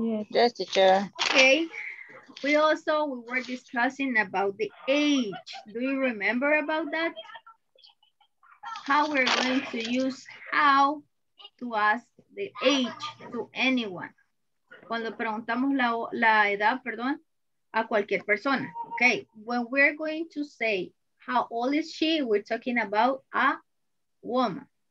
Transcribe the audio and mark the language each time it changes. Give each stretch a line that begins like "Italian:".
English: Yes, teacher. Okay. We also were discussing about the age. Do you remember about that? How we're going to use how to ask the age to anyone.
Spanish: Cuando preguntamos la edad, perdón, a cualquier persona.
English: Okay, when we're going to say how old is she, we're talking about a woman.